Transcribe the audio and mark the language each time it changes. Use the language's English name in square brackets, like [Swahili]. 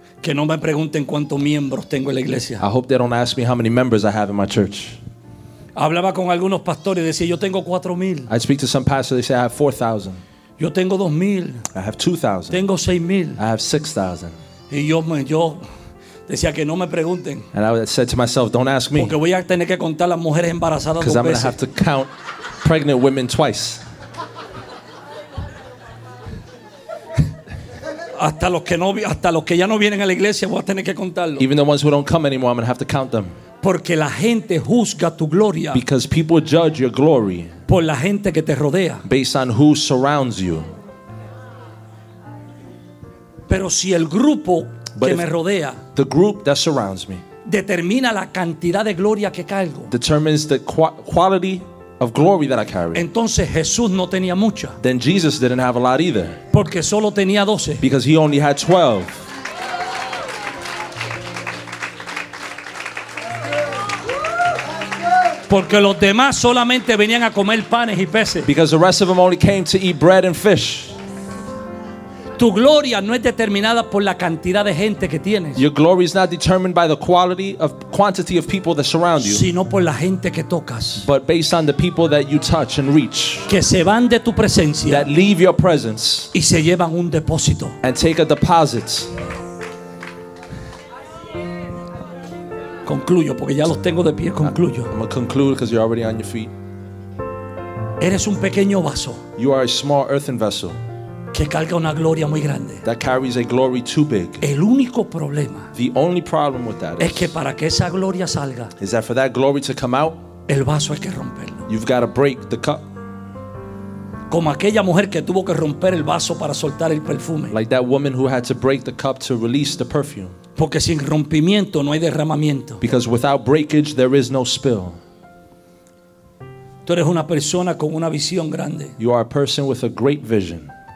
[Spanish] Que no me pregunten cuántos miembros tengo en la iglesia. [English] I hope they don't ask me how many members I have in my church. [Spanish] Hablaba con algunos pastores y decía yo tengo 4,000. [English] I speak to some pastors, they say I have 4,000. [Spanish] Yo tengo 2,000. [English] I have 2,000. [Spanish] Tengo 6,000. [English] I have 6,000. [Spanish] Y yo decía que no me pregunten. [English] And I said to myself, don't ask me. [Spanish] Porque voy a tener que contar las mujeres embarazadas dos veces. [English] Because I'm going to have to count pregnant women twice. [Spanish] Hasta los que ya no vienen a la iglesia, voy a tener que contarlo. [English] Even the ones who don't come anymore, I'm going to have to count them. [Spanish] Porque la gente juzga tu gloria. [English] Because people judge your glory. [Spanish] Por la gente que te rodea. [English] Based on who surrounds you. [Spanish] Pero si el grupo [English] but [Spanish] que me rodea, [English] the group that surrounds me [Spanish] determina la cantidad de gloria que cargo, [English] determines the quality of glory that I carry. [Spanish] Entonces Jesús no tenía mucha. [English] Then Jesus didn't have a lot either. [Spanish] Porque solo tenía 12. [English] Because he only had 12. [Spanish] Porque los demás solamente venían a comer panes y peces. [English] Because the rest of them only came to eat bread and fish. [Spanish] Tu gloria no es determinada por la cantidad de gente que tienes. [English] Your glory is not determined by the quantity of people that surround you. [Spanish] Sino por la gente que tocas. [English] But based on the people that you touch and reach. [Spanish] Que se van de tu presencia. [English] That leave your presence. [Spanish] Y se llevan un depósito. [English] And take a deposit. [Spanish] Concluyo porque ya los tengo de pie. Concluyo. [English] I'm gonna conclude because you're already on your feet. [Spanish] Eres un pequeño vaso. [English] You are a small earthen vessel. [Spanish] Que carga una gloria muy grande. [English] That carries a glory too big. [Spanish] El único problema. [English] The only problem with that [Spanish] es que para que esa gloria salga. [English] Is that for that glory to come out. [Spanish] El vaso hay que romperlo. [English] You've got to break the cup. [Spanish] Como aquella mujer que tuvo que romper el vaso para soltar el perfume. [English] Like that woman who had to break the cup to release the perfume. [Spanish] Porque sin rompimiento no hay derramamiento. [English] Because without breakage there is no spill. [Spanish] Tú eres una persona con una visión grande. [English] You are a person with a great vision.